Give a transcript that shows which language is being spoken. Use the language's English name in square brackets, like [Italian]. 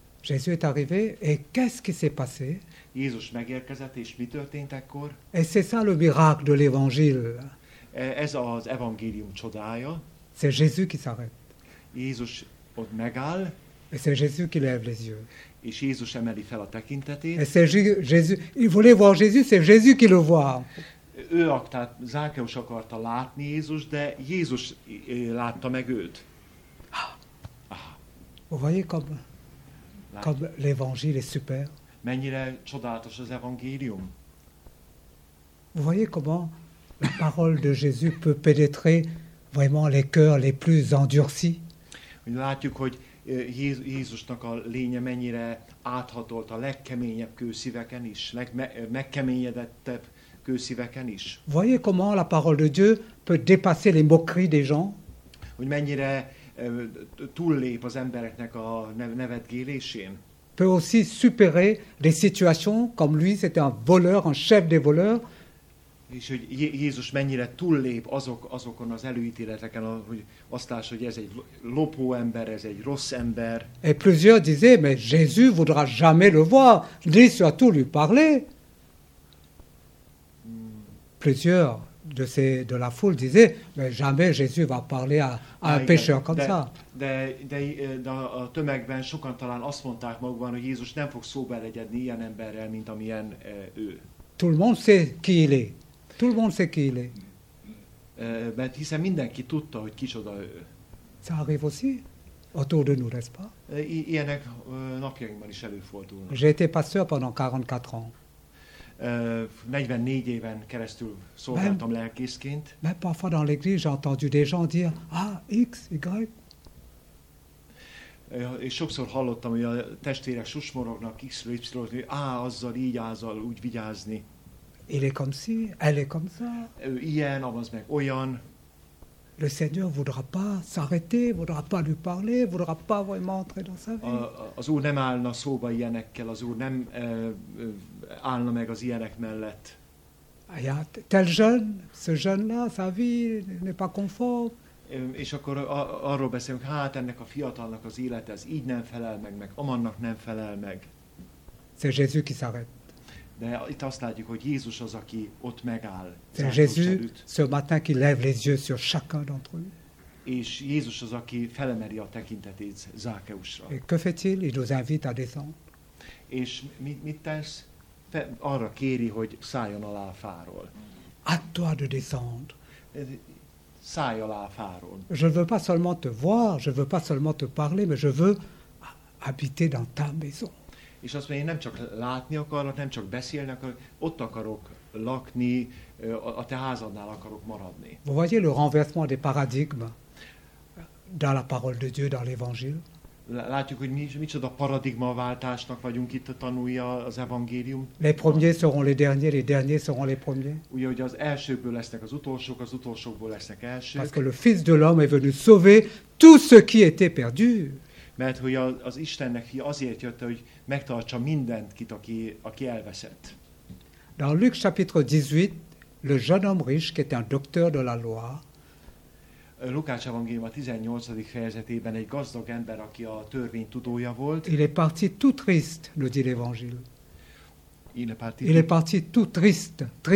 [French] Jésus est arrivé et qu'est-ce qui s'est passé? [Hungarian] Jézus megérkezett, és mi történt ekkor? [French] Et c'est ça le miracle de l'évangile. [Hungarian] Ez az evangélium csodája. [French] C'est Jésus qui s'arrête. [Hungarian] Jézus ott megáll. [French] Et c'est Jésus qui lève les yeux. [Hungarian] És Jézus emeli fel a tekintetét. [French] Et c'est Jésus, il voulait voir Jésus, c'est Jésus qui le voit. [Hungarian] Ő aktát, Zákeus akarta látni Jézus, de Jézus látta meg őt. [French] Vous voyez comme, comme l'évangile est super. [Hungarian] Mennyire csodálatos az evangélium. [French] Vous voyez comment la parole de Jésus peut pénétrer vraiment les cœurs les plus endurcis. [Hungarian] Látjuk, hogy Jézusnak a lénye mennyire áthatolt a legkeményebb kőszíveken is, legmegkeményedettebb kőszíveken is. [French] Voyez comment la parole de Dieu peut dépasser les moqueries des gens. [Hungarian] Hogy mennyire túllép az embereknek a nevetgélésén. [French] Peut aussi superer des situations comme lui, c'était un voleur, un chef des voleurs. [Hungarian] És hogy Jézus mennyire túllép azokon az előítéleteken, hogy azt lássa, hogy ez egy lopó ember, ez egy rossz ember. [French] Et plusieurs disaient, mais Jésus voudra jamais le voir, ni surtout lui parler. Plusieurs de ces de la foule disaient, mais jamais Jésus va parler à un pécheur comme ça. [Hungarian] De a tömegben sokan talán azt mondták magukban, hogy Jézus nem fog szóba eredni ilyen emberrel, mint amilyen ő. [French] Tout le monde sait qui il est. Tout le monde sait qui il est. [Hungarian] Mert hiszen mindenki tudta, hogy kicsoda ő. [French] Ça arrive aussi autour de nous, n'est-ce pas? [Hungarian] Ilyenek napjainkban is előfordulnak. [French] J'ai été pasteur pendant 44 ans. [Hungarian] 44 éven keresztül szolgáltam lelkészként. [French] Mais parfois dans l'église, j'ai entendu des gens dire, X, Y. [Hungarian] És sokszor hallottam, hogy a testvérek susmorognak, X-ről, Y-ről, hogy azzal, így, azzal, úgy vigyázni. [French] Il est comme si, elle est comme ça. [Hungarian] Ilyen, avaz meg olyan. [French] Le Seigneur voudra pas s'arrêter, voudra pas lui parler, voudra pas vraiment entrer dans sa vie. [Hungarian] Az Úr nem állna szóba ilyenekkel, az Úr nem állna meg az ilyenek mellett. [French] Tel jeune, ce jeune-là, sa vie n'est pas conforme. [Hungarian] És akkor arról beszélünk, ennek a fiatalnak az élete, ez így nem felel meg, meg amannak nem felel meg. [French] C'est Jésus qui s'arrête. [Hungarian] De itt azt látjuk, hogy Jézus az, aki ott megáll. [French] C'est Jésus ce matin qui lève les yeux sur chacun d'entre eux. [Hungarian] És Jézus az, aki felemeli a tekintetét Zákeusra. [French] Et que fait-il? Il nous invite à descendre. [Hungarian] És mit tesz? Arra kéri, hogy szálljon alá a fáról. [French] À toi de descendre. [Hungarian] Szállj alá a fáról. [French] Je ne veux pas seulement te voir, je ne veux pas seulement te parler, mais je veux habiter dans ta maison. [Hungarian] És azt mondja, én nem csak látni akarok, nem csak beszélni akarok, ott akarok lakni, a te házadnál akarok maradni. [French] Vous voyez le renversement des paradigmes dans la parole de Dieu, dans l'évangile? [Hungarian] Látjuk, hogy micsoda paradigmaváltásnak vagyunk itt a tanúja az evangélium. [French] Les premiers seront les derniers seront les premiers. [Hungarian] Ugye, hogy az elsőkből lesznek az utolsókból lesznek elsők. [French] Parce que le fils de l'homme est venu sauver tout ce qui était perdu. [Hungarian] Mert hogy az Istennek fia azért jött, hogy megtartsa mindent, aki elveszett. [French] Dans Luc chapitre 18, le jeune homme riche, qui était un docteur de la loi. [Hungarian] Lukács evangélium a 18. fejezetében egy gazdag ember, aki a törvény tudója volt. [French] Il est parti tout triste, le dit l'évangile. Il est parti tout triste.